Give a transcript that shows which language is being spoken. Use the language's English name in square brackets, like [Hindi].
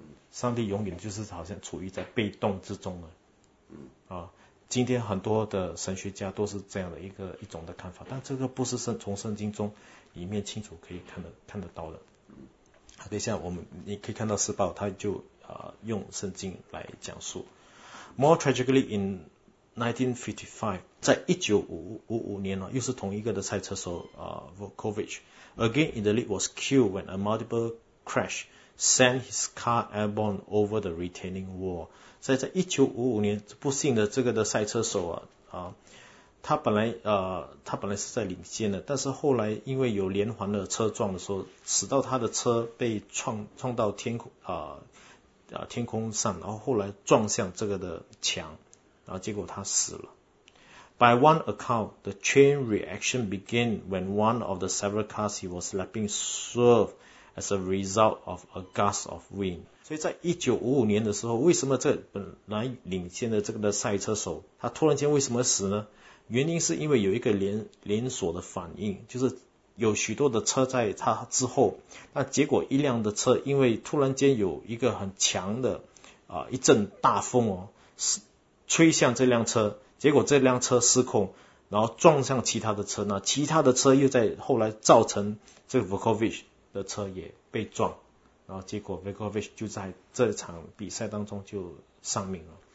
[Chinese] 上帝永远就是好像处于在被动之中的啊。今天很多的神学家都是这样的一种的看法，但这个不是从圣经中里面清楚可以看得到的。等一下我们你可以看到时报他就用圣经来讲述。 [English] More tragically in 1955, [Chinese] 在1955年又是同一个的赛车手 [English] Vukovic, again in the lead was killed when a multiple crash sent his car airborne over the retaining wall. [Chinese] 所以在1955年，不幸的这个的赛车手他本来是在领先的，但是后来因为有连环的车撞的时候，使到他的车被撞到天空上，然后后来撞向这个的墙，然后结果他死了。 [English] By one account, the chain reaction began when one of the several cars he was lapping swerved as a result of a gust of wind. [Chinese] 所以在1955年的时候，为什么这本来领先的这个的赛车手他突然间为什么死呢？原因是因为有一个连锁的反应，就是有许多的车在他之后，那结果一辆的车因为突然间有一个很强的一阵大风吹向这辆车，结果这辆车失控，然后撞向其他的车，那其他的车又在后来造成这个 Vukovic 的车也被撞，然后结果 Vukovic 就在这场比赛当中就丧命了。